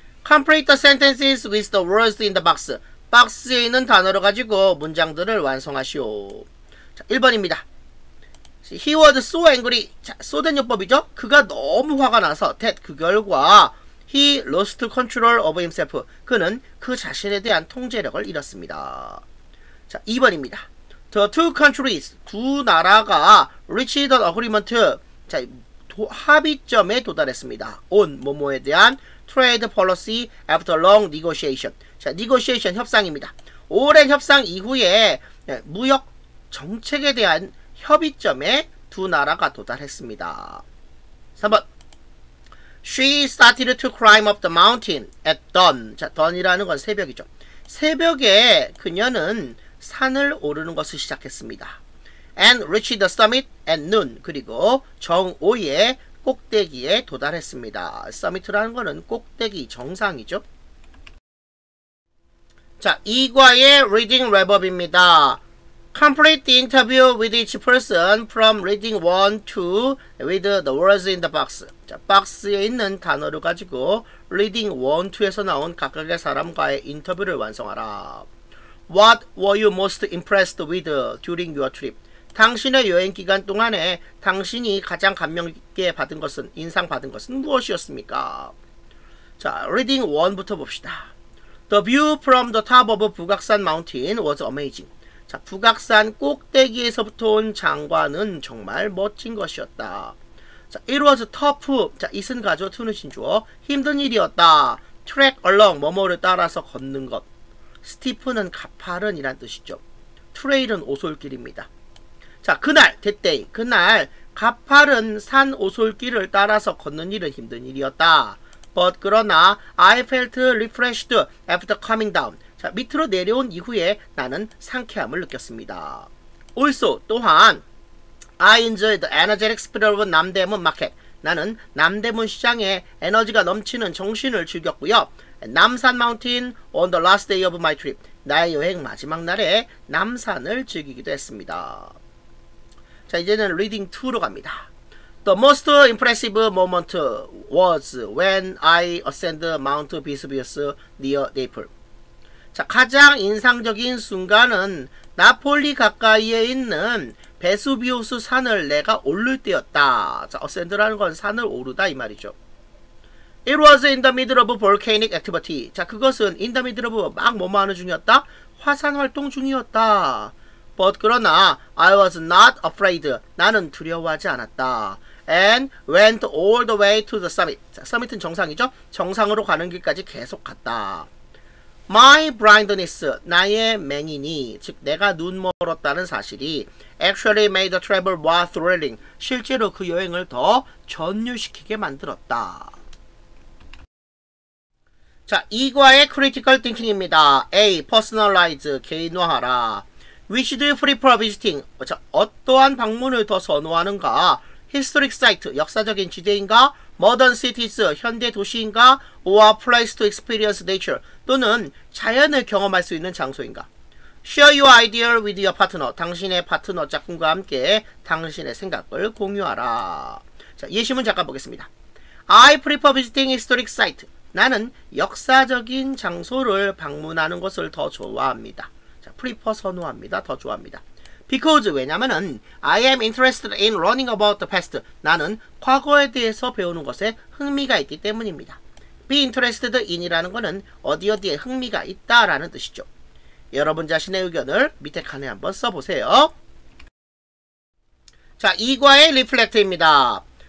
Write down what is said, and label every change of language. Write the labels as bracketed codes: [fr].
[en] Complete the sentences with the words in the box. [ko] 박스에 있는 단어를 가지고 문장들을 완성하시오. 자, 1번입니다. [en] He was so angry. [ko] 자, so 된 요법이죠. 그가 너무 화가 나서 that 그 결과 [en] he lost control of himself. [ko] 그는 그 자신에 대한 통제력을 잃었습니다. 자, 2번입니다. [en] The two countries, [ko] 두 나라가 [en] reached an agreement. [ko] 자, 합의점에 도달했습니다. [en] On [ko] 뭐뭐에 대한 [en] trade policy after long negotiation. [ko] 자, negotiation 협상입니다. 오랜 협상 이후에 무역 정책에 대한 협의점에 두 나라가 도달했습니다. 3번. [en] She started to climb up the mountain at dawn. [ko] 자, dawn이라는 건 새벽이죠. 새벽에 그녀는 산을 오르는 것을 시작했습니다. [en] And reached the summit at noon. [ko] 그리고 정오에 꼭대기에 도달했습니다. Summit라는 거는 꼭대기 정상이죠. 자, 2과의 reading reverb입니다. [en] Complete the interview with each person from reading 1 to with the words in the box. [ko] 자, 박스에 있는 단어를 가지고 reading 1, 2에서 나온 각각의 사람과의 인터뷰를 완성하라. [en] What were you most impressed with during your trip? [ko] 당신의 여행 기간 동안에 당신이 가장 감명 깊게 받은 것은, 인상 받은 것은 무엇이었습니까? 자, reading 1부터 봅시다. [en] The view from the top of Bugakusan Mountain was amazing. [ko] 자, 북악산 꼭대기에서부터 온 장관은 정말 멋진 것이었다. 자, [en] it was tough. [ko] 자, it은 가져, to는 신조어. 힘든 일이었다. track along, 뭐뭐를 따라서 걷는 것. steep는 가파른 이란 뜻이죠. trail은 오솔길입니다. 자, 그날, [en] that day, [ko] 그날 가파른 산 오솔길을 따라서 걷는 일은 힘든 일이었다. [en] but [ko] 그러나 [en] I felt refreshed after coming down. [ko] 자, 밑으로 내려온 이후에 나는 상쾌함을 느꼈습니다. [en] Also, [ko] 또한 [en] I enjoyed the energetic spirit of Namdaemun Market. [ko] 나는 남대문 시장에 에너지가 넘치는 정신을 즐겼고요. [en] Namsan Mountain on the last day of my trip. [ko] 나의 여행 마지막 날에 남산을 즐기기도 했습니다. 자, 이제는 reading 2로 갑니다. [en] The most impressive moment was when I ascended Mount Vesuvius near Naples. [ko] 자, 가장 인상적인 순간은 나폴리 가까이에 있는 베수비우스 산을 내가 오를 때였다. 자, ascend라는 건 산을 오르다 이 말이죠. [en] It was in the middle of volcanic activity. [ko] 자, 그것은 [en] in the middle of [ko] 막 뭐뭐하는 중이었다? 화산 활동 중이었다. [en] But [ko] 그러나 [en] I was not afraid. [ko] 나는 두려워하지 않았다. [en] And went all the way to the summit. [ko] 자, summit은 정상이죠. 정상으로 가는 길까지 계속 갔다. [en] My blindness, [ko] 나의 맹인이, 즉 내가 눈 멀었다는 사실이 [en] actually made the travel more thrilling. [ko] 실제로 그 여행을 더 전율시키게 만들었다. 자, 2과의 critical thinking입니다. A. personalize, 개인화하라. [en] Which do you prefer visiting? [ko] 자, 어떠한 방문을 더 선호하는가? [en] Historic site, [ko] 역사적인 지대인가? [en] Modern cities, [ko] 현대 도시인가? [en] Or a place to experience nature, [ko] 또는 자연을 경험할 수 있는 장소인가? [en] Share your idea with your partner, [ko] 당신의 파트너 짝꿍과 함께 당신의 생각을 공유하라. 자, 예시문 잠깐 보겠습니다. [en] I prefer visiting historic site. [ko] 나는 역사적인 장소를 방문하는 것을 더 좋아합니다. 자, prefer 선호합니다. 더 좋아합니다. [en] Because, [ko] 왜냐면은 [en] I am interested in learning about the past. [ko] 나는 과거에 대해서 배우는 것에 흥미가 있기 때문입니다. Be interested in이라는 것은 어디 어디에 흥미가 있다라는 뜻이죠. 여러분 자신의 의견을 밑에 칸에 한번 써보세요. 자, 2과의 리플렉트입니다.